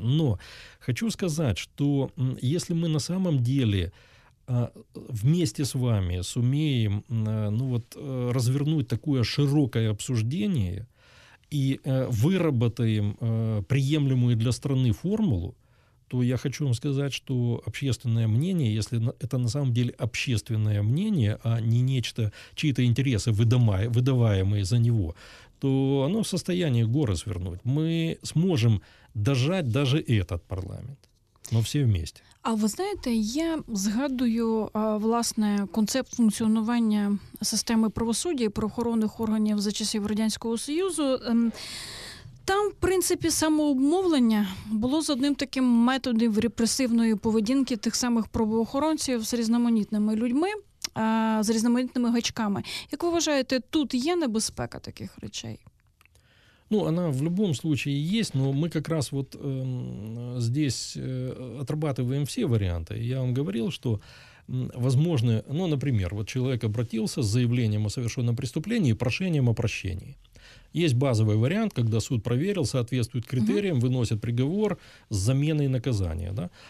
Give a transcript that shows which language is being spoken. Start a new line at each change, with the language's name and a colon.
Russian: Но хочу сказать, что если мы на самом деле вместе с вами сумеем, ну вот, развернуть такое широкое обсуждение и выработаем приемлемую для страны формулу, то я хочу вам сказать, что общественное мнение, если это на самом деле общественное мнение, а не нечто, чьи-то интересы, выдаваемые за него, то оно в состоянии горы свернуть. Мы сможем дожать даже этот парламент, но все вместе.
Ukrainian: А ви знаєте, я згадую, власне, концепт функціонування системи правосуддя і правоохоронних органів за часів Радянського Союзу. Там, в принципі, самообмовлення було з одним таким методом репресивної поведінки тих самих правоохоронців з різноманітними людьми, з різноманітними гачками. Як ви вважаєте, тут є небезпека таких речей?
Russian: Ну, она в любом случае есть, но мы как раз вот здесь отрабатываем все варианты. Я вам говорил, что возможно, ну, например, вот человек обратился с заявлением о совершенном преступлении и прошением о прощении. Есть базовый вариант, когда суд проверил, соответствует критериям, выносит приговор с заменой наказания. Да?